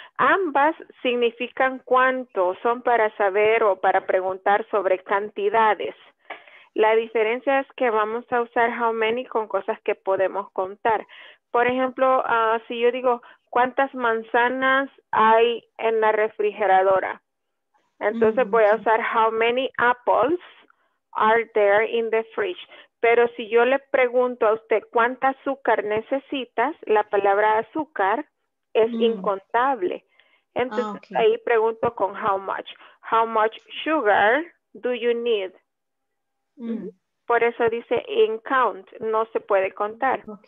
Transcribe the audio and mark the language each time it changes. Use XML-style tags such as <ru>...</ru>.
<es>Ambas significan cuánto, son para saber o para preguntar sobre cantidades. La diferencia es que vamos a usar how many con cosas que podemos contar. Por ejemplo, si yo digo, ¿cuántas manzanas hay en la refrigeradora? Entonces voy a usar</es> <en>how many apples are there in the fridge.</en> <es>Pero si yo le pregunto a usted cuánta azúcar necesitas, la palabra azúcar es incontable. Entonces ahí pregunto con</es> <en>how much. How much sugar do you need?</en> <es>Por eso dice</es> <en>in count,</en> <es>no se puede contar.</es>